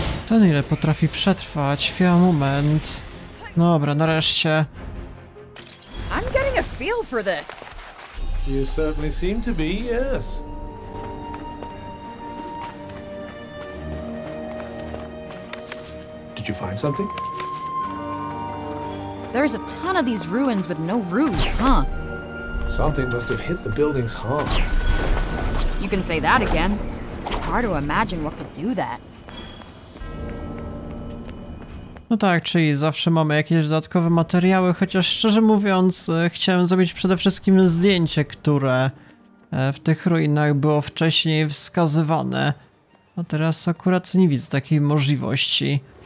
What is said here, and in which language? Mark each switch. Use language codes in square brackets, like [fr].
[pl] Ten ile potrafi przetrwać? Chwila, moment. Dobra, nareszcie. [en] I'm getting a feel for this. You certainly seem to be, yes. Did you find something? There's a ton of these ruins with no roofs, huh? Something must have hit the building's hull. You can say that again. Hard to imagine what could do that. [pl] No tak, czyli zawsze mamy jakieś dodatkowe materiały, chociaż szczerze mówiąc, chciałem zrobić przede wszystkim zdjęcie, które w tych ruinach było wcześniej wskazywane. A teraz akurat nie widzę takiej możliwości.